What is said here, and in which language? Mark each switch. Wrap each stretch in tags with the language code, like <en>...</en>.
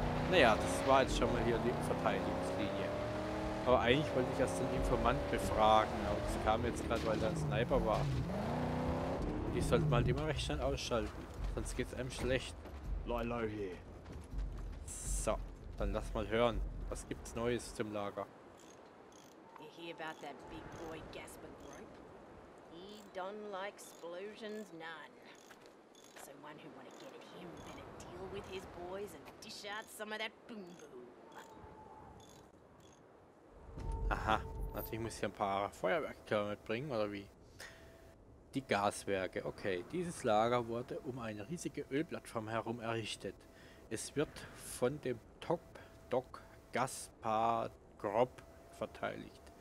<de>Naja, das war jetzt schon mal hier die Verteidigungslinie. Aber eigentlich wollte ich erst den Informant befragen. Aber das kam jetzt gerade, weil da ein Sniper war. Und ich sollte mal immer recht schnell ausschalten. Sonst geht's einem schlecht. Lilo hier. So, dann lass mal hören. Was gibt's Neues zum Lager?</de> <en>You hear about that big boy Gaspard Group? He don't like explosions none. Someone who want to get at him better deal with his boys and dish out some of that boom boom.</en> <de>Aha, natürlich muss ich ein paar Feuerwerkkörner mitbringen, oder wie? Die Gaswerke. Okay, dieses Lager wurde um eine riesige Ölplattform herum errichtet. Es wird von dem Top-Doc Gaspar Grob verteidigt.</de>